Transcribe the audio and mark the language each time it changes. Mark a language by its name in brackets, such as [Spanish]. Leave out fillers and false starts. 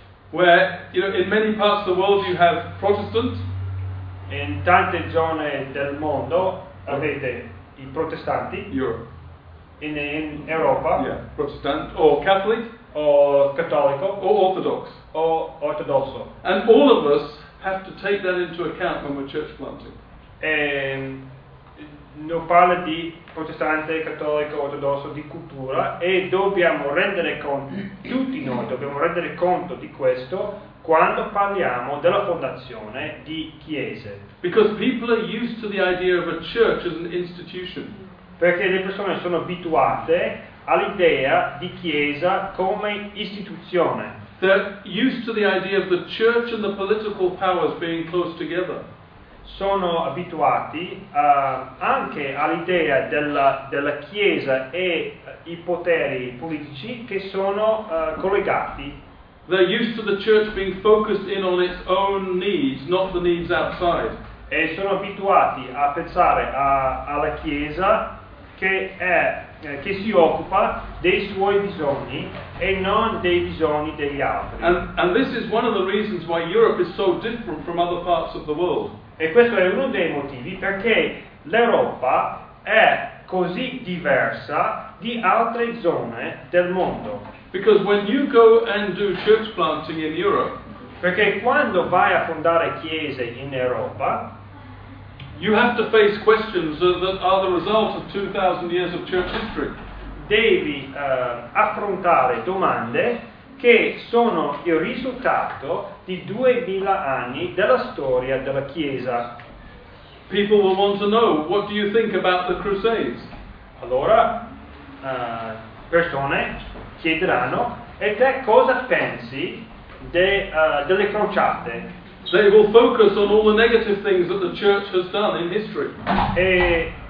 [English] Where, you know, in many parts of the world you have Protestants. [Italian] In tante zone del mondo avete i protestanti. [English] Europe. [Italian] In Europa. [English] Yeah, Protestant, or Catholic. [Italian] Or Cattolico. [English] Or Orthodox. [Italian] Or Ortodosso. [English] And all of us have to take that into account when we're church planting. [Italian] No parla di protestante, cattolico, ortodosso, di cultura, e dobbiamo rendere conto, tutti noi dobbiamo rendere conto di questo quando parliamo della fondazione di chiese. [English] Because people are used to the idea of a church as an institution. [Italian] Perché le persone sono abituate all'idea di chiesa come istituzione. [English] They're used to the idea of the church and the political powers being close together. [Italian] Sono abituati anche all'idea della chiesa e i poteri politici che sono collegati. [English] They're used to the church being focused in on its own needs, not the needs outside. [Italian] E sono abituati a pensare alla chiesa che si occupa dei suoi bisogni e non dei bisogni degli altri. [English] And this is one of the reasons why Europe is so different from other parts of the world. [Italian] E questo è uno dei motivi perché l'Europa è così diversa di altre zone del mondo. [English] Because when you go and do church planting in Europe, [Italian] perché quando vai a fondare chiese in Europa, [English] you have to face questions that are the result of 2,000 years of church history. [Italian] Devi affrontare domande che sono il risultato di 2,000 anni della storia della Chiesa. [English] People will want to know, what do you think about the Crusades? [Italian] Allora, persone chiederanno, e te cosa pensi delle crociate? [English] They will focus on all the negative things that the church has done in history.